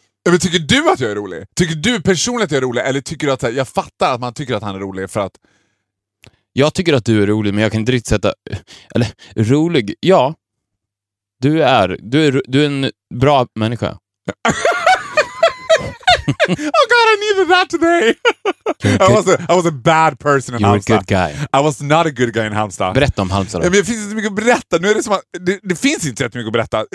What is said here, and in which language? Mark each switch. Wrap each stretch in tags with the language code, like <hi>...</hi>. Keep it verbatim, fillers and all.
<sv>Men tycker du att jag är rolig? Tycker du personligen att jag är rolig? Eller tycker du att jag fattar att man tycker att han är rolig för att... Jag tycker att du är rolig, men jag kan inte riktigt sätta... Eller, rolig... Ja. Du är... Du är, du är en bra människa.</sv> <en>Oh god, I needed that today. I was a, I was a bad person in you Halmstad. You were a good guy. I was not a good guy in Halmstad.</en> <sv>Berätta om Halmstad. Ja, men det finns inte mycket att berätta. Nu är det som att, det, det finns inte så mycket att berätta.</sv>